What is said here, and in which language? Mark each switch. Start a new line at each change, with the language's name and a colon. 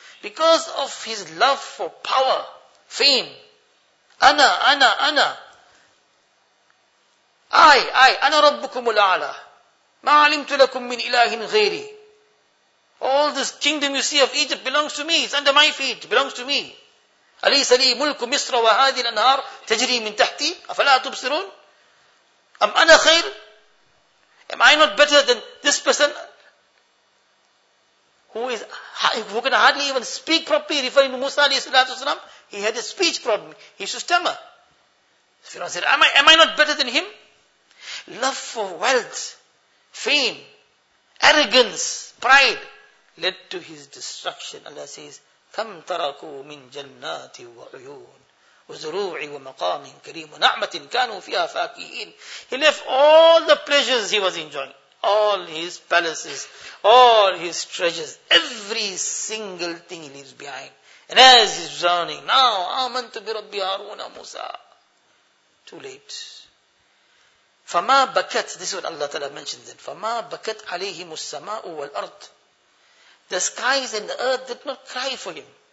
English: Because of his love for power, fame.
Arabic: Ana. I, Ana Rabbukumul A'la. Ma'alimtu lakum min ilahin ghairi.
English: All this kingdom you see of Egypt belongs to me. It's under my feet. It belongs to me.
Arabic: أَلَيْسَ لِي مُلْكُ مِصْرَ وَهَذِي الْأَنْهَارِ تَجْرِي مِنْ تَحْتِي أَفَلَا تُبْصِرُونَ أَمْ أَنَا خَيْرٌ
English: Am I not better than this person? Who can hardly even speak properly, referring to Musa alayhi salatu wasalam. He had a speech problem. He should stammer. Firaun said, am I not better than him? Love for wealth, fame, arrogance, pride led to his destruction.
Arabic: Allah says, كَمْ تَرَكُوا مِنْ جَنَّاتِ وَعُيُونَ وَزُرُوعِ وَمَقَامٍ كَرِيمٌ وَنَعْمَةٍ كَانُوا فِيهَا فَاكِهِينَ
English: He left all the pleasures he was enjoying. All his palaces, all his treasures, every single thing he leaves behind. And as he's drowning, now,
Arabic: آمَنْتُ بِرَبِّي هَارُونَ مُوسَى
English: Too late.
Arabic: فَمَا بَكَتْ
English: This is what Allah Ta'ala mentions it.
Arabic: فَمَا بَكَتْ عَلَيْهِمُ السَّمَاءُ وَالْأَرْضِ
English: The skies and the earth did not cry for him.